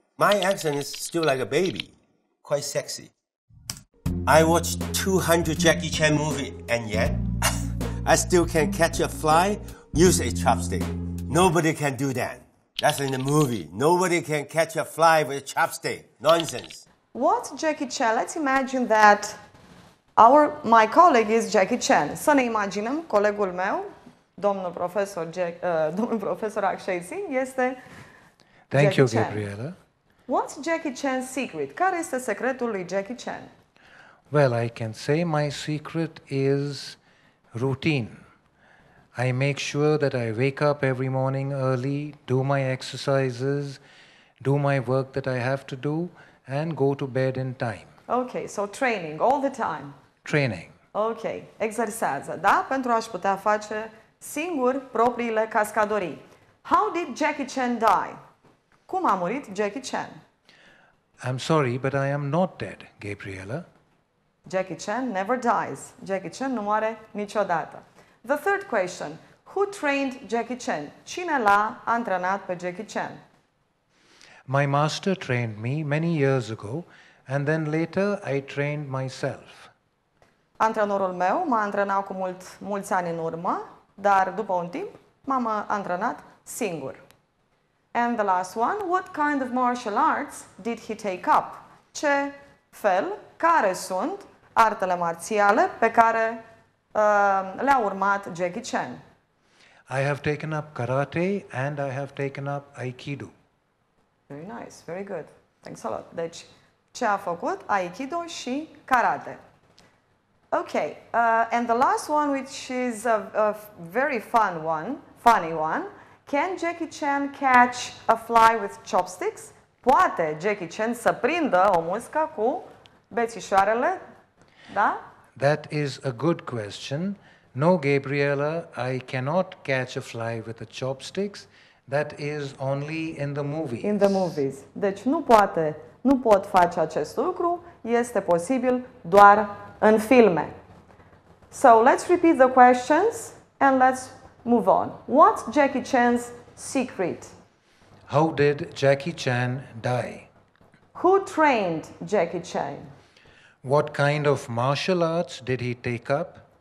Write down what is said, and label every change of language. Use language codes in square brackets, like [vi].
[en] My accent is still like a baby, quite sexy. I watched 200 Jackie Chan movies and yet, I still can catch a fly, use a chopstick. Nobody can do that. That's in the movie. Nobody can catch a fly with a chopstick. Nonsense. What Jackie Chan? Let's imagine that my colleague is Jackie Chan. [ro] Să ne imaginăm, colegul meu, domnul profesor Akshay Singh, este [en] Thank Jackie you, Chan. Gabriela. What's Jackie Chan's secret? [ro] Care este secretul lui Jackie Chan? [en] Well, I can say my secret is routine. I make sure that I wake up every morning early, do my exercises, do my work that I have to do, and go to bed in time. Okay, so training all the time. Training. Okay, exercise, da? [ro] Pentru a-și putea face singur propriile cascadorii. [en] How did Jackie Chan die? [ro] Cum a murit Jackie Chan? [en] I'm sorry, but I am not dead, Gabriela. Jackie Chan never dies. [ro] Jackie Chan nu moare niciodată. [en] The third question. Who trained Jackie Chan? [ro] Cine l-a antrenat pe Jackie Chan? [en] My master trained me many years ago and then later I trained myself. [ro] Antrenorul meu m-a antrenat cu mulți ani în urmă, dar după un timp m-am antrenat singur. [en] And the last one. What kind of martial arts did he take up? [ro] Ce fel? Care sunt artele marțiale pe care le-a urmat Jackie Chan? [en] I have taken up karate and I have taken up aikido. Very nice, very good. Thanks a lot. [ro] Deci, ce a făcut? Aikido și karate. [en] Okay, and the last one, which is a very fun one, funny one. Can Jackie Chan catch a fly with chopsticks? [ro] Poate Jackie Chan să prindă o muscă cu bețișoarele? Da? [en] That is a good question. No, Gabriela, I cannot catch a fly with the chopsticks. That is only in the movies. In the movies. [ro] Deci nu poate, nu pot face acest lucru. Este posibil doar în filme. [en] So let's repeat the questions and let's move on. What's Jackie Chan's secret? How did Jackie Chan die? Who trained Jackie Chan? What kind of martial arts did he take up?